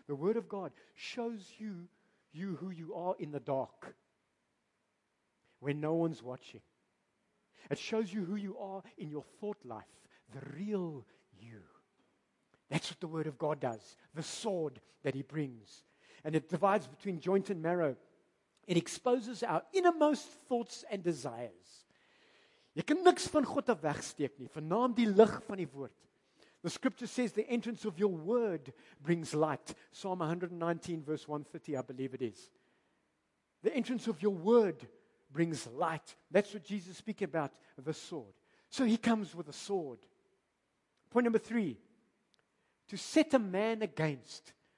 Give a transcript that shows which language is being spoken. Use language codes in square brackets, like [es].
[en] The Word of God shows you who you are in the dark when no one's watching. It shows you who you are in your thought life, the real you. That's what the Word of God does, the sword that he brings. And it divides between joint and marrow. It exposes our innermost thoughts and desires. [af] Jy kan niks van God af wegsteek nie, vanaam die lig van die woord. [en] The scripture says the entrance of your word brings light. Psalm 119 verse 130, I believe it is. The entrance of your word brings light. That's what Jesus speaks about, the sword. So he comes with a sword. Point number three, to set a man against.